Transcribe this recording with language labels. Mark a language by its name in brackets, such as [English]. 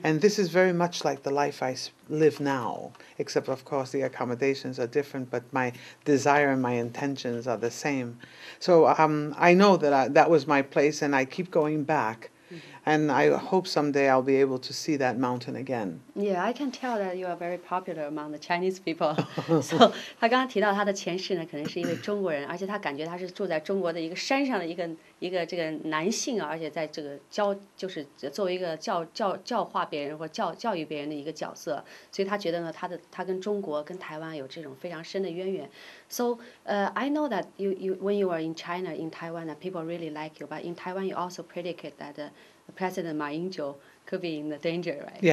[English] And this is very much like the life I live now, except of course the accommodations are different, but my desire and my intentions are the same. So I know that that was my place, and I keep going back. And I hope someday I'll be able to see that mountain again. Yeah, I can tell that you are very popular among the Chinese people. [Chinese] So, 他刚刚提到他的前世呢，可能是一位中国人，而且他感觉他是住在中国的一个山上的一个这个男性，而且在这个就是作为一个教化别人或教育别人的一个角色，所以他觉得呢，他跟中国跟台湾有这种非常深的渊源。 [English] So, I know that when you are in China, in Taiwan, that people really like you, but in Taiwan, you also predicted that President Ma Ying-jeou could be in the danger, right?